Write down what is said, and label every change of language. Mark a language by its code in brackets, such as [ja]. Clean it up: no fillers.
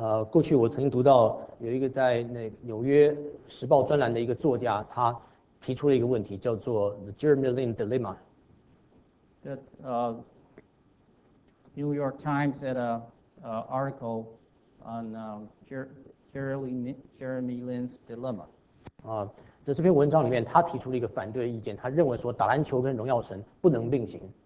[zh] 过去我曾经读到有一个在那纽约时报专栏的一个作家，他提出了一个问题，叫做 [en] The Jeremy Lin Dilemma. That New York Times had an article. On Jeremy Lin's dilemma. [zh] 在这篇文章里面，他提出了一个反对意见。他认为说，打篮球跟荣耀神不能并行。